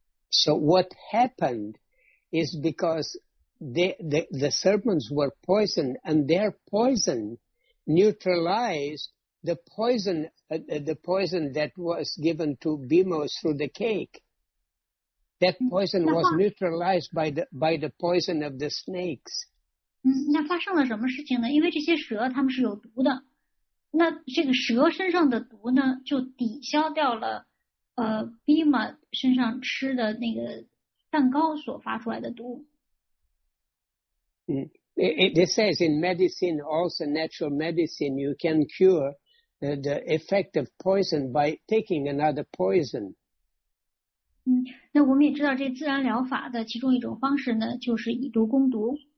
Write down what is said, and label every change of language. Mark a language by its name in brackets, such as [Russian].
[English] So what happened is because the serpents were poisoned and their poison neutralized the poison that was given to Bhima through the cake. That poison was neutralized by the poison of the snakes. [Chinese] 那发生了什么事情呢？因为这些蛇它们是有毒的，那这个蛇身上的毒呢就抵消掉了Bhima 身上吃的那个蛋糕所发出来的毒。 [English] It says in medicine, also natural medicine, you can cure the effect of poison by taking another poison. [Chinese] 那我们也知道这自然疗法的其中一种方式呢，就是以毒攻毒。